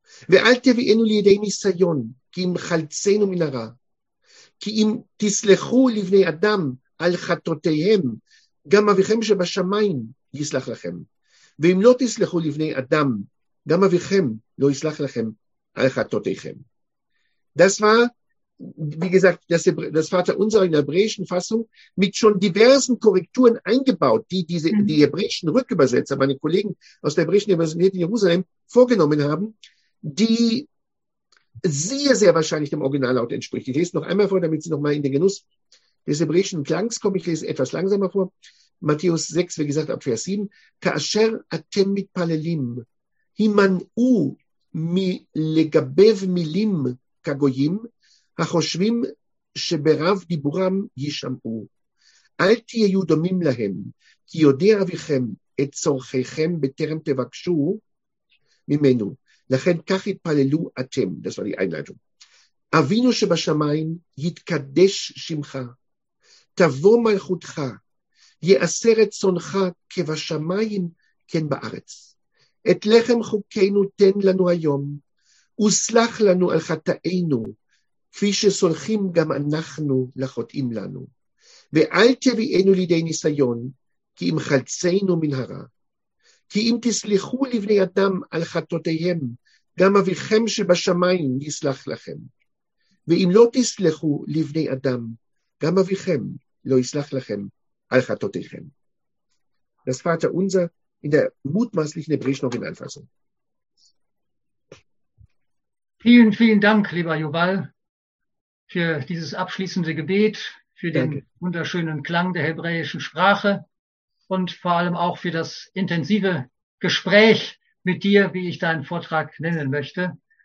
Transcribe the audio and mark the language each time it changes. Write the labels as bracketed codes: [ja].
[he] ואל תביאנו לידי ניסיון, כי אם חלצנו מן הרע. כי אם תסלחו לבני אדם על חטאותיהם, גם אביכם שבשמיים יסלח לכם. ואם לא תסלחו לבני אדם, גם אביכם לא יסלח לכם על חטאותיכם. [de] Das war, wie gesagt, das Vaterunser in der hebräischen Fassung mit schon diversen Korrekturen eingebaut, die hebräischen Rückübersetzer, meine Kollegen aus der hebräischen Universität in Jerusalem, vorgenommen haben, die sehr, sehr wahrscheinlich dem Originallaut entspricht. Ich lese noch einmal vor, damit Sie noch mal in den Genuss des hebräischen Klangs kommen. Ich lese etwas langsamer vor. Matthäus 6, wie gesagt, ab Vers 7. [he] Ka'asher atem mit palelim himan'u mi legabev milim kagoyim החושבים שברב דיבורם ישמעו. אל תהיו דומים להם, כי יודע אביכם את צורכיכם בטרם תבקשו ממנו. לכן כך התפללו אתם. [de] Das war die Einleitung. [he] אבינו שבשמיים יתקדש שמך. תבוא מלכותך. יעשר את צונך כבשמיים כן בארץ. את לחם חוקנו תן לנו היום. וסלח לנו על חטאינו. כפי שסולחים גם אנחנו לחוטאים לנו. ואל תביאנו לידי ניסיון, כי אם חלצנו מן הרע. כי אם תסלחו לבני אדם על חטאותיהם, גם אביכם שבשמיים יסלח לכם. ואם לא תסלחו לבני אדם, גם אביכם לא יסלח לכם על חטאותיכם. [de] Das Vater unser in der mutmaßlichen hebräischen Originalfassung. Vielen, vielen Dank, lieber Yuval, für dieses abschließende Gebet, für den wunderschönen Klang der hebräischen Sprache und vor allem auch für das intensive Gespräch mit dir, wie ich deinen Vortrag nennen möchte.